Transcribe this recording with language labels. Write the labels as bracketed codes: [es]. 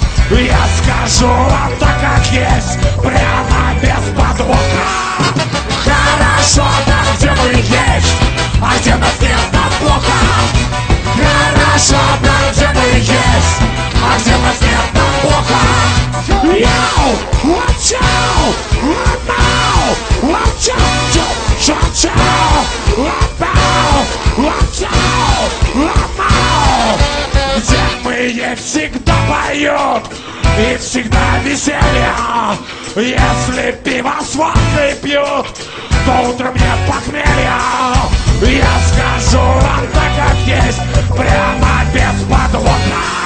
[ru] Я скажу вам так, как есть, прямо без подвоха. Хорошо там, где мы есть, а где нас нет, там плохо. Хорошо там, где мы есть, а где нас нет, там плохо. [en] Йоу, watch out, run out, watch out, cha-cha, run out, watch out, run out. [ru] Где мы есть, всегда поют и всегда веселье. Если пиво с водкой пьют, то утром нет похмелья. Я скажу вам так, как есть, прямо без подвода.